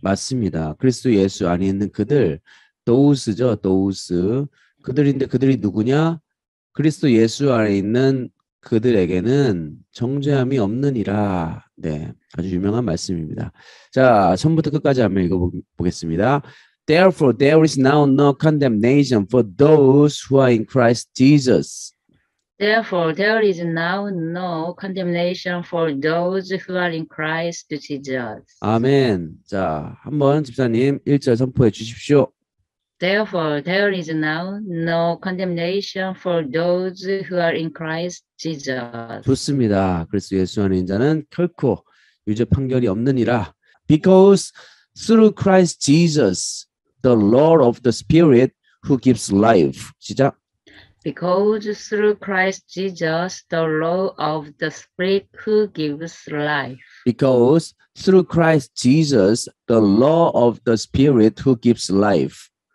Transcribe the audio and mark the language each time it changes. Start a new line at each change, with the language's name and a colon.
Korean: 맞습니다. 그리스도 예수 안에 있는 그들,
English: those죠, those.
Korean: 그들인데 그들이 누구냐? 그리스도 예수 안에 있는 그들에게는 정죄함이 없느니라. 네, 아주 유명한 말씀입니다. 자, 처음부터 끝까지 한번 읽어보겠습니다.
English: Therefore, there is now no condemnation for those who are in Christ Jesus. Therefore, there is now no condemnation for those who are in Christ Jesus.
Korean: 아멘. 자, 한번 집사님 1절 선포해 주십시오.
English: Therefore, there is now no condemnation for those who are in Christ Jesus.
Korean: 좋습니다. 그리스도 예수 안에 있는 자는 결코 유죄 판결이 없느니라.
English: Because through Christ Jesus, the Lord of the Spirit who gives life.
Korean: 시작.
English: Because through Christ Jesus, the law of the Spirit who gives life. Because through Christ Jesus, the law of the Spirit who gives life.